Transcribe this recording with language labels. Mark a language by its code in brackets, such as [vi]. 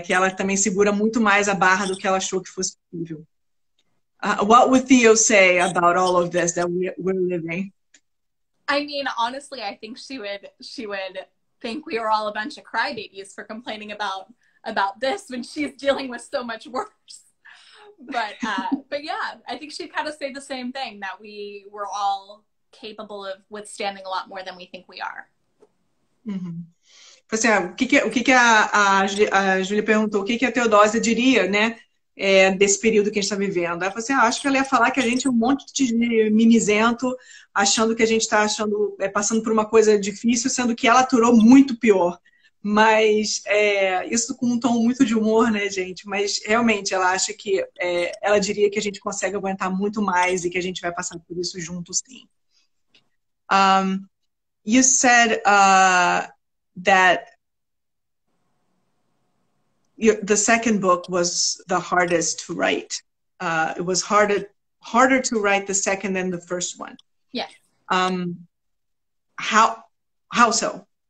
[pt] Que ela também segura muito mais a barra do que ela achou que fosse possível. [en] What would Theo say about all of this that we're living? I mean, honestly, I think she would think we are all a bunch of crybabies for complaining about this when she's dealing with so much worse. But yeah, I think she'd kind of say the same thing, that we were all capable of withstanding a lot more than we think we are. [pt] Assim, o que que a Júlia perguntou, o que que a Teodósia diria, né, desse período que a gente está vivendo? Ela falou assim: ah, acho que ela ia falar que a gente é um monte de mimizento, achando que a gente está achando passando por uma coisa difícil, sendo que ela aturou muito pior. Mas isso com um tom muito de humor, né, gente? Mas realmente ela acha que ela diria que a gente consegue aguentar muito mais e que a gente vai passar por isso juntos, sim. [en] You said that the second book was the hardest to write. It was harder to write the second than the first one. How so?